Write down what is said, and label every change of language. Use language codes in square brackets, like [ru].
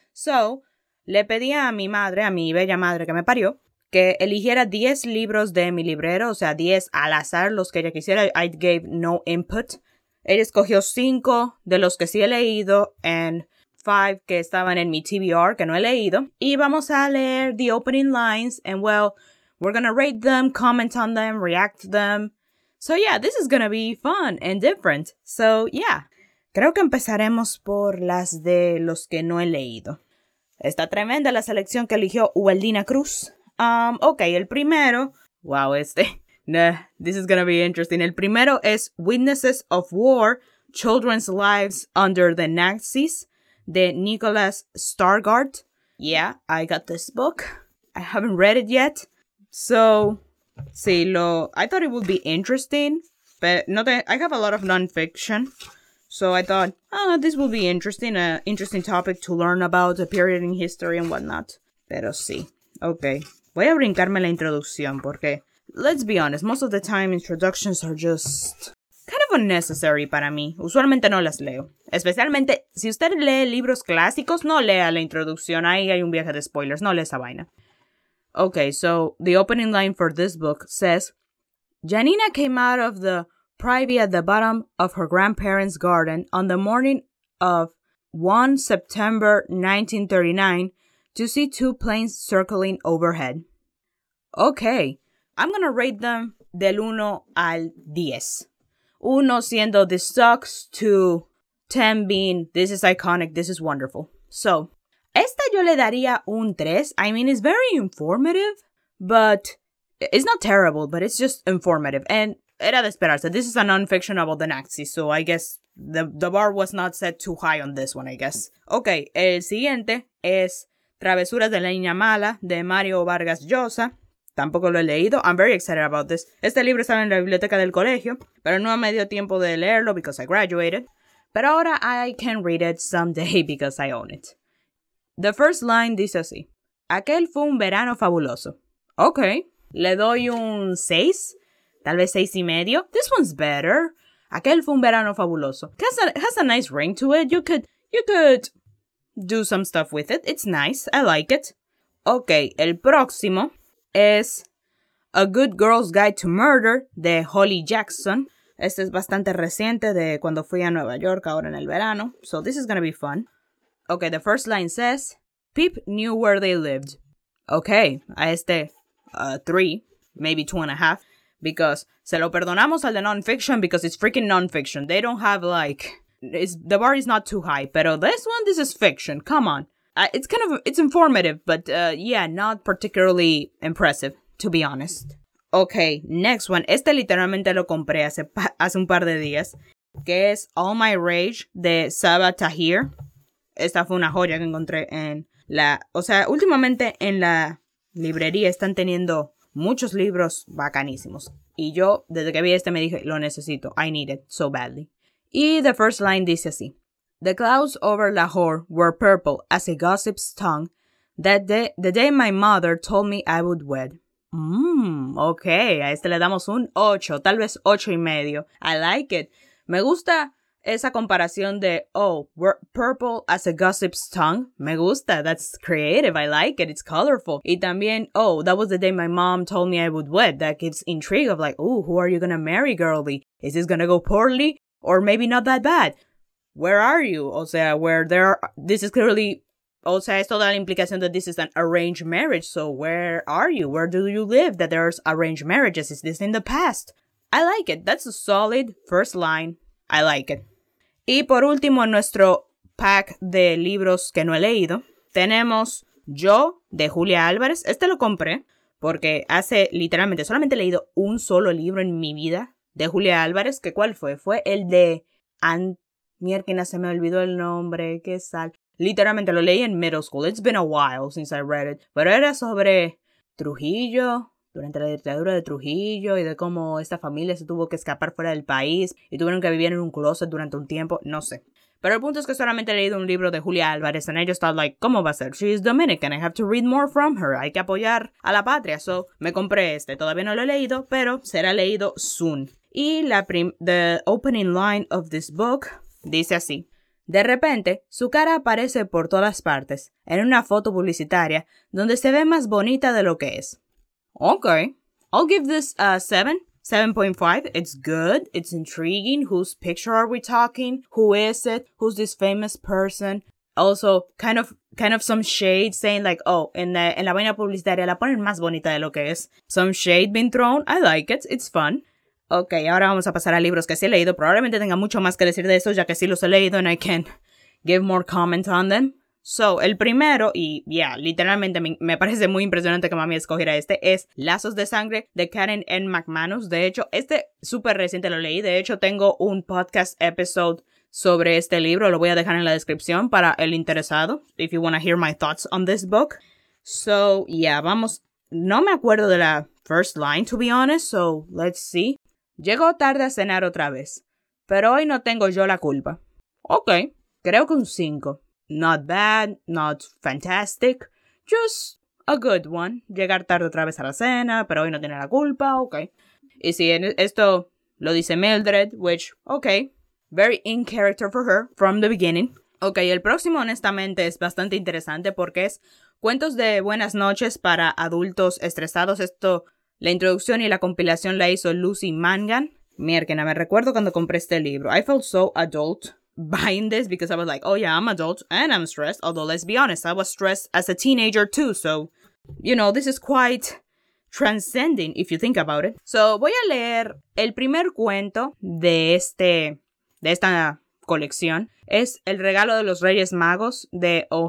[es] So, le pedí a mi madre, a mi bella madre que me parió, que eligiera 10 libros de mi librero, o sea, 10 al azar, los que ella quisiera. [en] I gave no input. [es] Ella escogió 5 de los que sí he leído, [en] and [es] 5 que estaban en mi TBR, que no he leído. Y vamos a leer [en] the opening lines, and well, we're gonna rate them, comment on them, react to them. So yeah, this is gonna be fun and different. So yeah, [es] creo que empezaremos por las de los que no he leído. Está tremenda la selección que eligió Ubaldina Cruz. Okay, el primero. Wow, este. Nah, [en] this is gonna be interesting. [es] El primero es Witnesses of War, Children's Lives Under the Nazis, de Nicholas Stargard. [en] Yeah, I got this book. I haven't read it yet. [es] So, sí, lo... [en] I thought it would be interesting. But I have a lot of nonfiction. So I thought, this would be interesting. An interesting topic to learn about a period in history and whatnot. [es] Pero sí. Okay. Voy a brincarme la introducción porque... [en] Let's be honest. Most of the time, introductions are just... kind of unnecessary [es] para mí. Usualmente no las leo. Especialmente si usted lee libros clásicos, no lea la introducción. Ahí hay un viaje de spoilers. No lea esa vaina. [en] Okay, so the opening line for this book says, Janina came out of the privy at the bottom of her grandparents' garden on the morning of 1 September 1939 to see two planes circling overhead. Okay, I'm gonna rate them [es] del 1 al 10. [en] 1 [es] siendo [en] this sucks, 2, 10 being this is iconic, this is wonderful. So, [es] esta yo le daría un 3. [en] I mean, it's very informative, but it's not terrible, but it's just informative. And [es] era de esperarse. [en] This is a nonfiction about the Nazis, so I guess the bar was not set too high on this one, I guess. [es] Okay, el siguiente es Travesuras de la Niña Mala, de Mario Vargas Llosa. Tampoco lo he leído. [en] I'm very excited about this. [es] Este libro estaba en la biblioteca del colegio, pero no me dio tiempo de leerlo [en] because I graduated. [es] Pero ahora [en] I can read it someday because I own it. The first line [es] dice así. Aquel fue un verano fabuloso. Okay. Le doy un 6. Tal vez 6.5. [en] This one's better. [es] Aquel fue un verano fabuloso. [en] It has a nice ring to it. You could do some stuff with it. It's nice. I like it. Okay. [es] El próximo es [en] A Good Girl's Guide to Murder, de Holly Jackson. [es] Este es bastante reciente, de cuando fui a Nueva York, ahora en el verano. [en] So this is gonna be fun. Okay, the first line says, Pip knew where they lived. [es] Okay, a este 3, [en] maybe [es] 2.5. [en] Because [es] se lo perdonamos al de [en] nonfiction, because it's freaking nonfiction. They don't have like, the bar is not too high. [es] Pero [en] this one, this is fiction, come on. It's informative, but yeah, not particularly impressive, to be honest. Okay, next one. [es] Este literalmente lo compré hace un par de días. Que es All My Rage, de Saba Tahir. Esta fue una joya que encontré en la... O sea, últimamente en la librería están teniendo muchos libros bacanísimos. Y yo, desde que vi este, me dije, lo necesito. [en] I need it so badly. Y the first line [es] dice así. [en] The clouds over Lahore were purple as a gossip's tongue that the day my mother told me I would wed. [es] Okay, a este le damos un 8, tal vez 8.5. [en] I like it. [es] Me gusta esa comparación de, [en] we're purple as a gossip's tongue. [es] Me gusta, [en] that's creative, I like it, it's colorful. [es] Y también, [en] that was the day my mom told me I would wed. That gives intrigue of like, who are you gonna marry, girly? Is this gonna go poorly? Or maybe not that bad? Where are you? [es] O sea, [en] this is clearly, [es] o sea, esto da la implicación [en] that this is an arranged marriage. So where are you? Where do you live that there's arranged marriages? Is this in the past? I like it. That's a solid first line. I like it. [es] Y por último, en nuestro pack de libros que no he leído, tenemos Yo, de Julia Álvarez. Este lo compré porque hace literalmente, solamente he leído un solo libro en mi vida de Julia Álvarez, que ¿cuál fue? Fue el de Mierkina, se me olvidó el nombre, qué sal. Literalmente lo leí en middle school, [en] it's been a while since I read it, [es] pero era sobre Trujillo, durante la dictadura de Trujillo y de cómo esta familia se tuvo que escapar fuera del país y tuvieron que vivir en un closet durante un tiempo, no sé. Pero el punto es que solamente he leído un libro de Julia Álvarez [en] and I just thought like, [es] ¿cómo va a ser? [en] She's Dominican, I have to read more from her. [es] Hay que apoyar a la patria. So, me compré este. Todavía no lo he leído, pero será leído soon. Y la [en] the opening line of this book [es] dice así. De repente, su cara aparece por todas partes en una foto publicitaria donde se ve más bonita de lo que es. [en] Okay, I'll give this a 7. 7.5, it's good, it's intriguing, whose picture are we talking, who is it, who's this famous person. Also, kind of some shade saying like, oh, [es] en la vaina publicitaria la ponen más bonita de lo que es. [en] Some shade being thrown, I like it, it's fun. [es] Okay, ahora vamos a pasar a libros que sí he leído, probablemente tenga mucho más que decir de estos ya que sí los he leído [en] and I can give more comments on them. [es] So, el primero, y yeah, literalmente me parece muy impresionante que mami escogiera este, es Lazos de Sangre de Karen N. McManus. De hecho, este súper reciente lo leí. De hecho, tengo un podcast episode sobre este libro. Lo voy a dejar en la descripción para el interesado, [en] if you want to hear my thoughts on this book. So, yeah, [es] vamos. No me acuerdo de la [en] first line, to be honest, so let's see. [es] Llego tarde a cenar otra vez, pero hoy no tengo yo la culpa. Okay, creo que un 5. [en] Not bad, not fantastic, just a good one. [es] Llegar tarde otra vez a la cena, pero hoy no tiene la culpa, okay. Y si esto lo dice [en] Mildred, which, okay, very in character for her from the beginning. [es] Okay, el próximo honestamente es bastante interesante porque es Cuentos de Buenas Noches para Adultos Estresados. Esto, la introducción y la compilación la hizo Lucy Mangan. Mierkena, me recuerdo cuando compré este libro. [en] I felt so adult buying this because I was like, oh yeah, I'm adult and I'm stressed, although let's be honest, I was stressed as a teenager too, so you know, this is quite transcending if you think about it. [es] So voy a leer el primer cuento de esta colección. Es El Regalo de los Reyes Magos de O.